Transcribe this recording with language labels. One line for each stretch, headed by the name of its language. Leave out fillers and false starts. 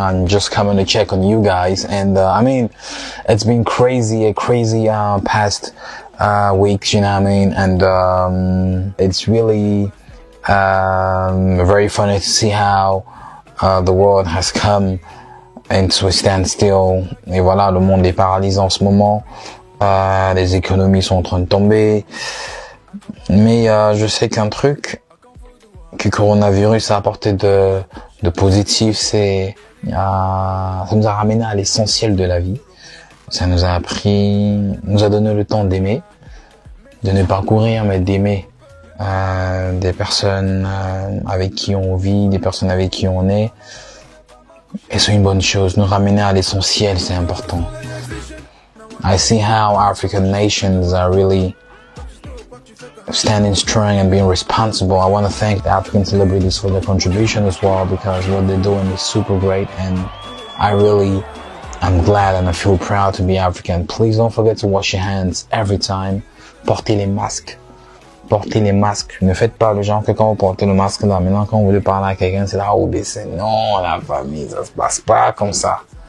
English: I'm just coming to check on you guys, and I mean, it's been crazy past weeks. You know what I mean? And it's really very funny to see how the world has come into a standstill.
French: Et voilà, le monde est paralysé en ce moment. Les économies sont en train de tomber. Mais je sais qu'un truc que coronavirus a apporté de positif, c'est ça nous a ramené à l'essentiel de la vie. Ça nous a appris, nous a donné le temps d'aimer, de ne pas courir, mais d'aimer des personnes avec qui on vit, des personnes avec qui on est. Et c'est une bonne chose. Nous ramener à l'essentiel, c'est important.
English: I see how African nations are really standing strong and being responsible. I want to thank the African celebrities for their contribution as well, because what they're doing is super great. And I really am glad and I feel proud to be African. Please don't forget to wash your hands every time.
French: Portez les masques. Portez les masques. Ne faites pas le genre que quand vous portez le masque là, maintenant quand vous voulez parler à quelqu'un, c'est là où c'est non, la famille, ça se passe pas comme ça.